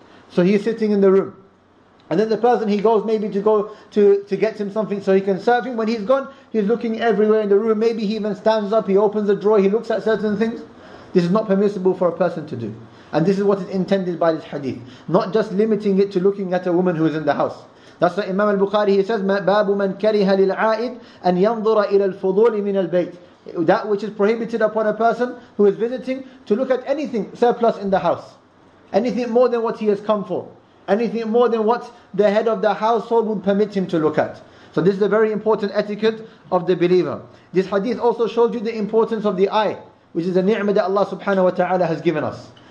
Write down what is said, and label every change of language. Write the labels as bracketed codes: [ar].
[en] So he's sitting in the room. And then the person, he goes maybe to go to get him something so he can serve him. When he's gone, he's looking everywhere in the room. Maybe he even stands up, he opens the drawer, he looks at certain things. This is not permissible for a person to do. And this is what is intended by this hadith. Not just limiting it to looking at a woman who is in the house. That's why Imam al-Bukhari, he says, [ar] بَابُ مَنْ كَرِهَ لِلْعَائِدْ أَنْ يَنْظُرَ إِلَى الْفُضُولِ مِنَ الْبَيْتِ. [en] That which is prohibited upon a person who is visiting to look at anything surplus in the house. Anything more than what he has come for. Anything more than what the head of the household would permit him to look at. So this is a very important etiquette of the believer. This hadith also shows you the importance of the eye, which is a ni'mah that Allah subhanahu wa ta'ala has given us.